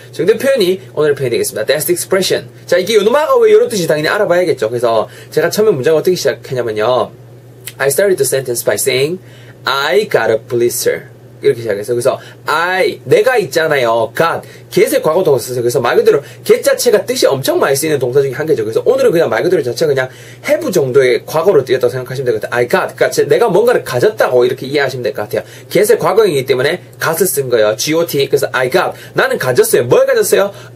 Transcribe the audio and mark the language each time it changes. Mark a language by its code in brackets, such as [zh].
[ko] 정답 표현이 오늘의 표현이 되겠습니다. [en] That's the expression. [ko] 자, 이게 음악이 왜 이런 뜻인지 당연히 알아봐야겠죠. 그래서 제가 처음에 문장을 어떻게 시작했냐면요. [en] I started the sentence by saying, I got a blister. [ko] 이렇게 시작했어요. 그래서 I, 내가 있잖아요. got. get의 과거 동사 쓰세요. 그래서 말 그대로 get 자체가 뜻이 엄청 많이 쓰이는 동사 중에 한 개죠. 그래서 오늘은 그냥 말 그대로 자체가 그냥 have 정도의 과거로 띄었다고 생각하시면 될 것 같아요. I got. 그러니까 내가 뭔가를 가졌다고 이렇게 이해하시면 될 것 같아요. get의 과거이기 때문에 got을 쓴 거예요. got. 그래서 I got. 나는 가졌어요. 뭘 가졌어요?